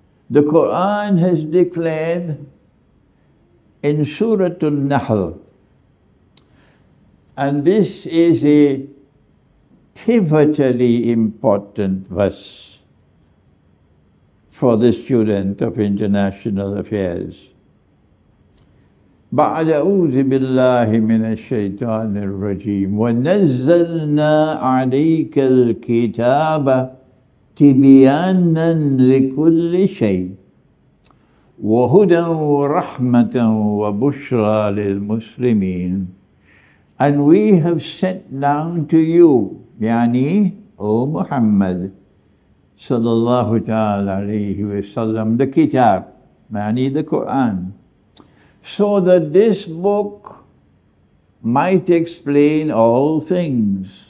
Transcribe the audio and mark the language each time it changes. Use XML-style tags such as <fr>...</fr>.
<en>The Quran has declared in Surah An-Nahl, and this is a pivotally important verse for the student of international affairs.</en> <ar>بعد أعوذ بالله من الشيطان الرجيم ونزلنا عليك الكتاب تبيانا لكل شيء وهدى ورحمة وبشرى للمسلمين.</ar> <en>And we have sent down to you, يعني O Muhammad</en> <ar>صلى الله تعالى عليه وسلم,</ar> <en>the kitab, يعني the Quran, so that this book might explain all things.</en>